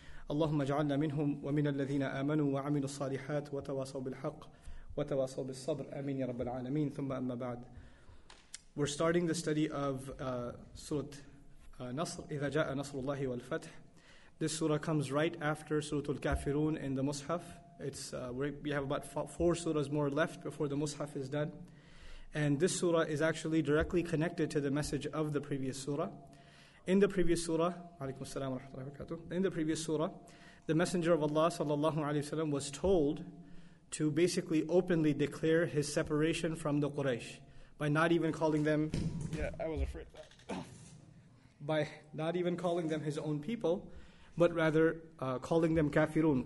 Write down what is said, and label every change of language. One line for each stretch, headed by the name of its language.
Arabic: اللهم اجعلنا منهم ومن الذين آمنوا وعملوا الصالحات وتواصوا بالحق وتواصوا بالصبر. آمين يا رب العالمين. ثم أما بعد,
English: we're starting the study of Surah Nasr,
Arabic: إِذَا جَاءَ نَصْرُ اللَّهِ وَالْفَتْحِ.
English: This surah comes right after Surah Al-Kafirun in the Mus'haf. We have about four surahs more left before the Mus'haf is done. And this surah is actually directly connected to the message of the previous surah. In the previous surah,
Arabic: عَلَيْكُمْ السَّلَامُ وَرَحْمَةُ اللَّهِ وَبَرَكَاتُهُ.
English: In the previous surah, the Messenger of Allah sallallahu alayhi wa sallam was told to basically openly declare his separation from the Quraysh by not even calling them... By not even calling them his own people, but rather calling them kafirun.